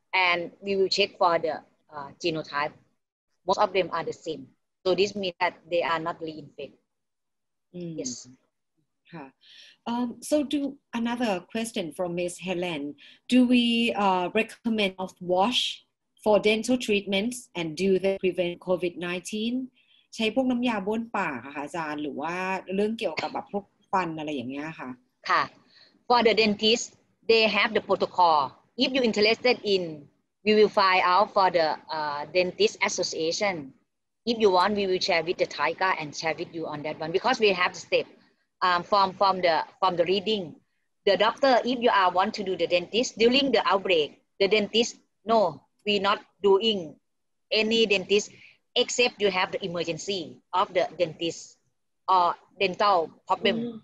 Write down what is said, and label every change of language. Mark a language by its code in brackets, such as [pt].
[en] And we will check for the genotype. Most of them are the same. So this means that they are not reinfected. Mm. Yes. So do another question from Ms. Helen. Do we recommend mouthwash? For dental treatments and do they prevent COVID-19 [th] ใช้พวกน้ำยาบ้วนปากค่ะอาจารย์หรือว่าเรื่องเกี่ยวกับแบบพวกฟันอะไรอย่างเงี้ยค่ะ [en] ค่ะ for the dentist they have the protocol if you interested in we will find out for the dentist association if you want we will share with the Taika and share with you on that one because we have the step from the reading the doctor if you are want to do the dentist during the outbreak the dentist no we not doing any dentist except you have the emergency of the dentist or dental problem mm.